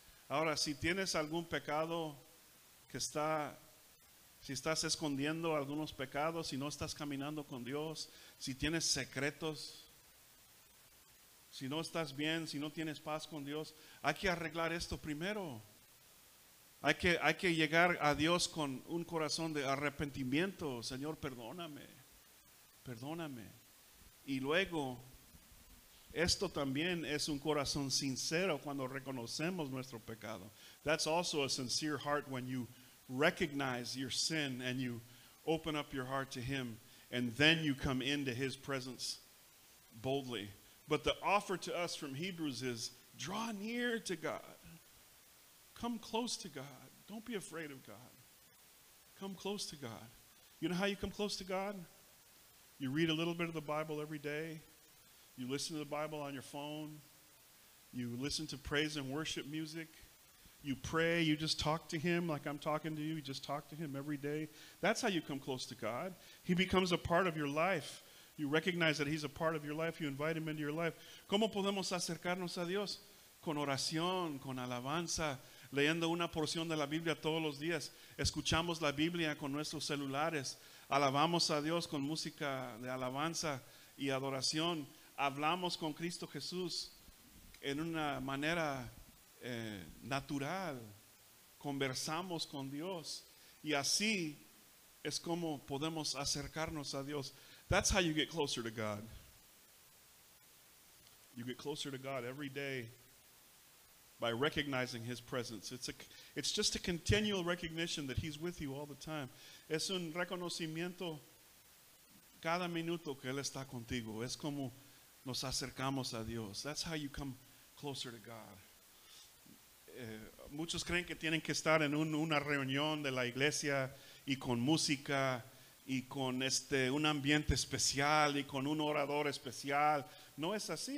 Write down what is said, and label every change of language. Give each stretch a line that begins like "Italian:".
Spanish: Ahora, si tienes algún pecado que está, si estás escondiendo algunos pecados, si no estás caminando con Dios, si tienes secretos, si no estás bien, si no tienes paz con Dios, hay que arreglar esto primero. Hay que llegar a Dios con un corazón de arrepentimiento. Señor, perdóname. Perdóname. Y luego, esto también es un corazón sincero cuando reconocemos nuestro pecado.
English: That's also a sincere heart when you recognize your sin and you open up your heart to Him, and then you come into His presence boldly. But the offer to us from Hebrews is, draw near to God. Come close to God. Don't be afraid of God. Come close to God. You know how you come close to God? You read a little bit of the Bible every day. You listen to the Bible on your phone. You listen to praise and worship music. You pray. You just talk to Him like I'm talking to you. You just talk to Him every day. That's how you come close to God. He becomes a part of your life. You recognize that He's a part of your life. You invite Him into your life.
Spanish: ¿Cómo podemos acercarnos a Dios? Con oración, con alabanza, leyendo una porción de la Biblia todos los días. Escuchamos la Biblia con nuestros celulares. Alabamos a Dios con música de alabanza y adoración. Hablamos con Cristo Jesús en una manera natural. Conversamos con Dios. Y así es como podemos acercarnos a Dios.
English: That's how you get closer to God. You get closer to God every day by recognizing His presence. It's just a continual recognition that He's with you all the time.
Spanish: Es un reconocimiento cada minuto que Él está contigo. Es como nos acercamos a Dios.
English: That's how you come closer to God.
Spanish: Muchos creen que tienen que estar en una reunión de la iglesia y con música y con un ambiente especial y con un orador especial. No es así.